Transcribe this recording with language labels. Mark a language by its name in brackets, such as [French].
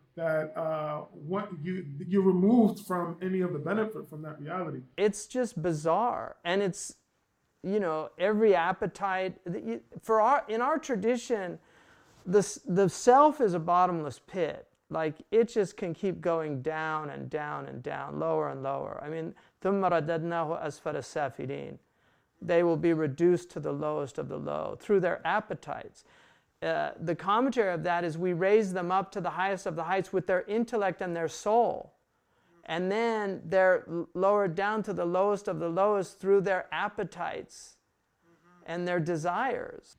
[English] that what you're removed from any of the benefit from that reality. It's just bizarre. And it's, you know, every appetite that you, for our, in our tradition, the self is a bottomless pit. Like, it just can keep going down and down and down, lower and lower. I mean, [Arabic] ثُمَّ رَدَدْنَاهُ أَسْفَلَ السَّافِلِينَ. [English] They will be reduced to the lowest of the low through their appetites. The commentary of that is we raise them up to the highest of the heights with their intellect and their soul. And then they're lowered down to the lowest of the lowest through their appetites and their desires.